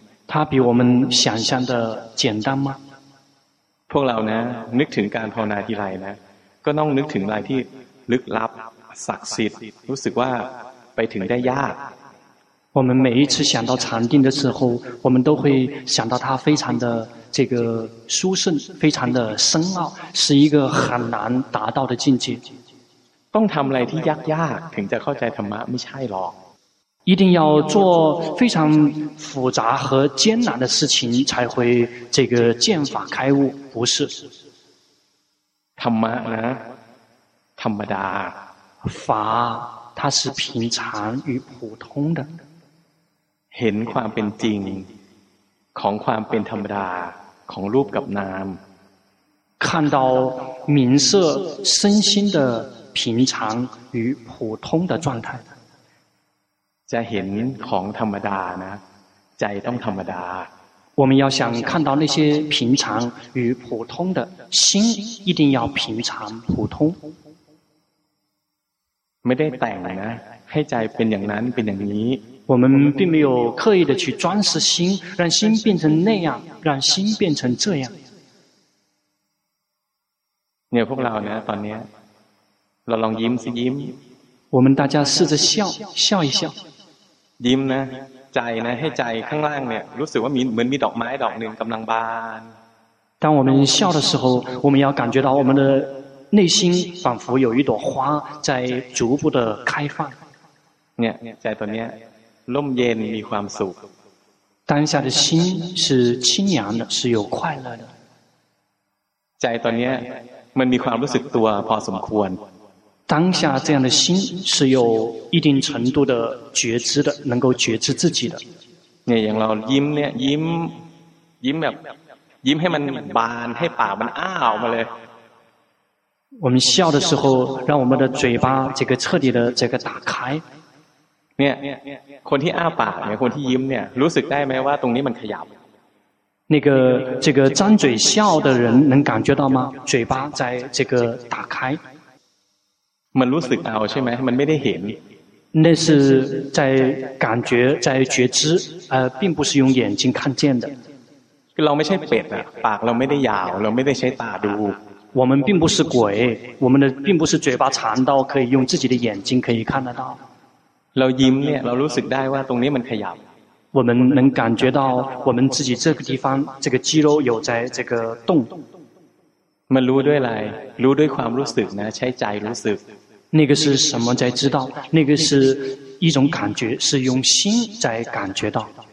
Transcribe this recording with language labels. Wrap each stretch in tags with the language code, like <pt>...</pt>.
<zh>它比我们想象的简单吗</zh> <th>พวกเรานะนึกถึงการภาวนาทีไรนะก็ต้องนึกถึงอะไรที่ลึกลับศักดิ์สิทธิ์รู้สึกว่าไปถึงได้ยาก</th> <zh>我们每一次想到禅定的时候我们都会想到它非常的这个殊胜非常的深奥是一个很难达到的境界</zh> <th>ต้องทำอะไรที่ยากยากถึงจะเข้าใจธรรมะไม่ใช่หรอก</th> <zh>一定要做非常复杂和艰难的事情才会这个见法开悟不是</zh> <th>ธรรมะนะธรรมดา</th> <zh>法它是平常与普通的</zh> <th>เห็นความเป็นจริงของความเป็นธรรมดาของรูปกับนาม</th> <zh>看到名色身心的平常与普通的状态</zh> <th>จะเห็นของธรรมดานะใจต้องธรรมดา</th> <zh>我们要想看到那些平常与普通的心一定要平常普通</zh> <th>ไม่ได้แต่งนะให้ใจเป็นอย่างนั้นเป็นอย่างนี้</th> <zh>我们并没有刻意的去装饰心让心变成那样让心变成这样</zh> <th>เนี่ยพวกเราเนี่ยตอนนี้เราลองยิ้มสิยิ้ม</th> <zh>我们大家试着笑笑一笑</zh> <th>ยิ้มนะใจนะให้ใจข้างล่างเนี่ยรู้สึกว่ามีเหมือนมีดอกไม้ดอกหนึ่งกำลังบาน</th> <zh>当我们笑的时候我们要感觉到我们的内心仿佛有一朵花在逐步的开放</zh> <th>เนี่ยใจตัวเนี้ยร่มเย็นมีความสุข</th> <zh>当下的心是清凉的是有快乐的</zh> <th>ใจตัวเนี้ยมันมีความรู้สึกตัวพอสมควร</th> <zh>当下这样的心是有一定程度的觉知的能够觉知自己的</zh> <th>เนี่ยอย่างเรายิ้มเนี่ยยิ้มยิ้มแบบยิ้มให้มันบานให้ปากมันอ้าวมาเลย</th> <zh>我们笑的时候让我们的嘴巴这个彻底的这个打开</zh> <th>เนี่ยคนที่อ้าปากเนี่ยคนที่ยิ้มเนี่ยรู้สึกได้ไหมว่าตรงนี้มันขยับ</th> <zh>那个这个张嘴笑的人能感觉到吗嘴巴在这个打开</zh> <th>มันรู้สึกเอาใช่ไหมมันไม่ได้เห็น</th> <zh>那是在感觉在觉知并不是用眼睛看见的</zh> <th>เราไม่ใช่เป็ดอะปากเราไม่ได้ยาวเราไม่ได้ใช้ตาดู</th> <zh>我们并不是鬼我们的并不是嘴巴长到可以用自己的眼睛可以看得到</zh> <th>เรายิ้มเนี่ยเรารู้สึกได้ว่าตรงนี้มันขยับ</th> <zh>我们能感觉到我们自己这个地方这个肌肉有在这个动</zh> <th>มันรู้ด้วยอะไรรู้ด้วยความรู้สึกนะใช้ใจรู้สึก</th> <zh>那个是什么在知道那个是一种感觉是用心在感觉到</zh>